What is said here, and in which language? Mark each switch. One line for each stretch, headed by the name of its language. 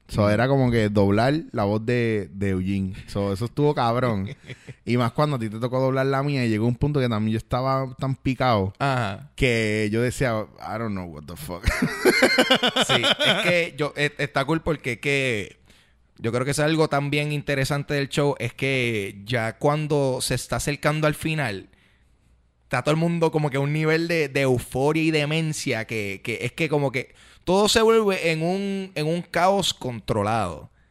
Spanish: So, era como que doblar la voz de Eugene. So, eso estuvo cabrón. Y más cuando a ti te tocó doblar la mía. Y llegó un punto que también yo estaba tan picado. Ajá. Que yo decía,
English: I don't know what the fuck.
Spanish: Sí. Es que yo... Está cool porque que... Yo creo que es algo también interesante del show. Es que ya cuando se está acercando al final, está todo el mundo como que un nivel de euforia y demencia que es que como que todo se vuelve en un caos controlado.